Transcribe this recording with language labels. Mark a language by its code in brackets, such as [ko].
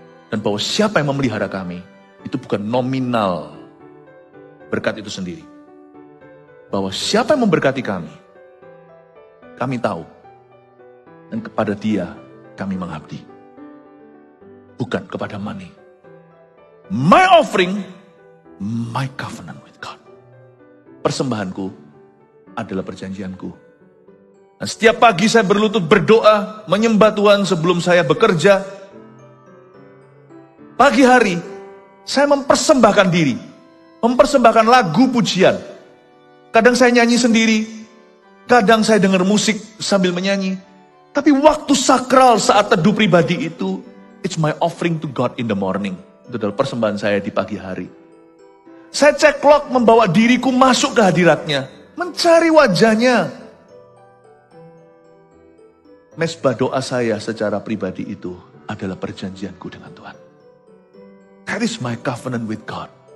[id] Dan bahwa siapa yang memelihara kami, itu bukan nominal berkat itu sendiri. Bahwa siapa yang memberkati kami, kami tahu. Dan kepada Dia kami mengabdi. Bukan kepada money. [en] My offering, my covenant with God. [id] Persembahanku adalah perjanjianku. Nah, setiap pagi saya berlutut berdoa, menyembah Tuhan sebelum saya bekerja. Pagi hari, saya mempersembahkan diri. Mempersembahkan lagu pujian. Kadang saya nyanyi sendiri. Kadang saya dengar musik sambil menyanyi. Tapi waktu sakral saat teduh pribadi itu, [en] it's my offering to God in the morning. [id] Itu adalah persembahan saya di pagi hari. Saya cek log membawa diriku masuk ke hadiratnya. Mencari wajahnya. Mesbah doa saya secara pribadi itu adalah perjanjianku dengan Tuhan. [en] That is my covenant with God.